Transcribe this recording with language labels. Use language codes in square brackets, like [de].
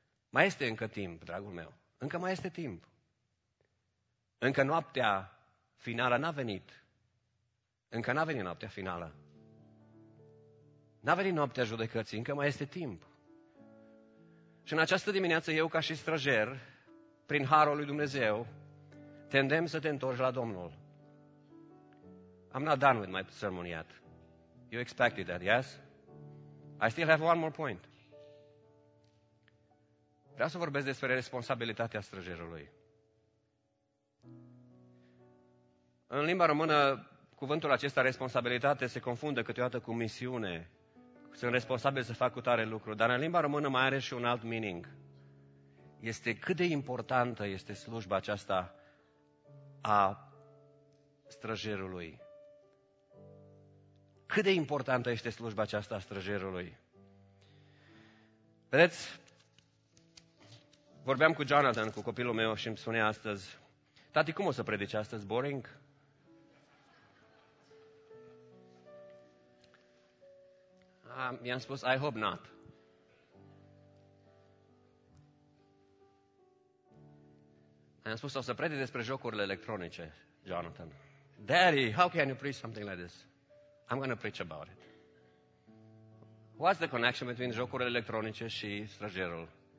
[ro] Mai este încă timp, dragul meu, încă mai este timp. Încă noaptea finală n-a venit. Încă n-a venit noaptea finală. N-a venit noaptea judecății, încă mai este timp. Și în această dimineață, eu ca și străjer, prin harul lui Dumnezeu, te îndemn să te întorci la Domnul. [en] I'm not done with my sermon yet. You expected that, yes? I still have one more point. [ro] Vreau să vorbesc despre responsabilitatea străjerului. În limba română, cuvântul acesta, responsabilitate, se confundă câteodată cu misiune. Sunt responsabil să fac cu tare lucru, dar în limba română mai are și un alt meaning. Este cât de importantă este slujba aceasta a străjerului. Cât de importantă este slujba aceasta a străjerului. Vedeți, vorbeam cu Jonathan, cu copilul meu, și îmi spunea astăzi, tati, cum o să predice astăzi, boring? I-am spus, [en] I hope not. [ro] I-am spus, o să predic despre jocurile electronice, Jonathan. [en] Daddy, how can you preach something like this? I'm going to preach about it. What's the connection between [ro] jocurile electronice și străjerul?